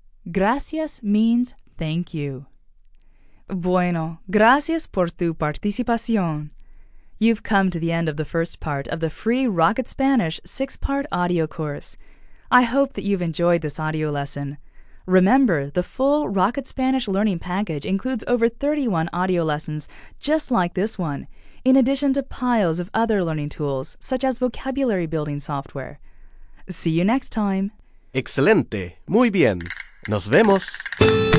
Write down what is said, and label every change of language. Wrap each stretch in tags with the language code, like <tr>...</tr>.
<en>Gracias means thank you.</en> <es>Bueno, gracias por tu participación.</es> <en>You've come to the end of the first part of the free Rocket Spanish 6-part audio course. I hope that you've enjoyed this audio lesson. Remember, the full Rocket Spanish learning package includes over 31 audio lessons just like this one, in addition to piles of other learning tools, such as vocabulary building software. See you next time.</en> <es>Excelente. Muy bien. Nos vemos.</es>